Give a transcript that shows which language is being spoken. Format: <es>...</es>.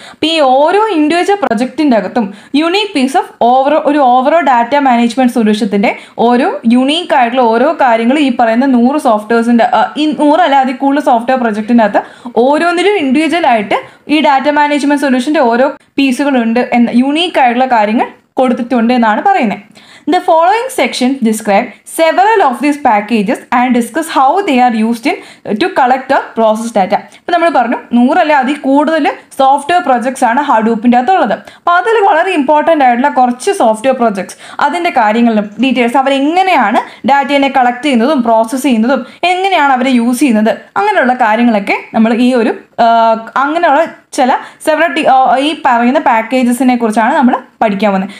<ml>അപ്പോൾ ഈ ഓരോ ഇൻഡിവിജ്വൽ പ്രൊജക്റ്റിൻ്റെ അകത്തും unique piece of overall data management സൊല്യൂഷത്തിൻ്റെ ഓരോ യുണീക്ക് ആയിട്ടുള്ള ഓരോ കാര്യങ്ങളും ഈ പറയുന്ന 100 സോഫ്റ്റ്വെയർസിൻ്റെ ഈ 100 അല്ല അതിൽ കൂടുതൽ സോഫ്റ്റ്വെയർ പ്രൊജക്റ്റിൻ്റെ അകത്ത് ഓരോന്നിലും ഇൻഡിവിജ്വൽ ആയിട്ട് ഈ ഡാറ്റ മാനേജ്മെൻറ്റ് സൊല്യൂഷൻ്റെ ഓരോ പീസുകളുണ്ട് എന്ന യുണീക്ക് ആയിട്ടുള്ള കാര്യങ്ങൾ കൊടുത്തിട്ടുണ്ട് എന്നാണ് പറയുന്നത്.</ml> <en>The following section describes several of these packages and discuss how they are used in to collect the process data.</en> <ml>ഇപ്പം നമ്മൾ പറഞ്ഞു 100 അല്ലെ അതിൽ കൂടുതൽ സോഫ്റ്റ്വെയർ പ്രൊജക്ട്സ് ആണ് ഹഡൂപ്പിൻ്റെ അകത്തുള്ളത്. അപ്പോൾ അതിൽ വളരെ ഇമ്പോർട്ടൻ്റ് ആയിട്ടുള്ള കുറച്ച് സോഫ്റ്റ്വെയർ പ്രൊജക്ട്സ് അതിൻ്റെ കാര്യങ്ങളിലും ഡീറ്റെയിൽസ് അവരെങ്ങനെയാണ് ഡാറ്റേനെ കളക്ട് ചെയ്യുന്നതും പ്രോസസ്സ് ചെയ്യുന്നതും എങ്ങനെയാണ് അവരെ യൂസ് ചെയ്യുന്നത് അങ്ങനെയുള്ള കാര്യങ്ങളൊക്കെ നമ്മൾ ഈ ഒരു അങ്ങനെയുള്ള ചില ഈ പറയുന്ന പാക്കേജസിനെ കുറിച്ചാണ് നമ്മൾ പഠിക്കാൻ പോകുന്നത്.</ml>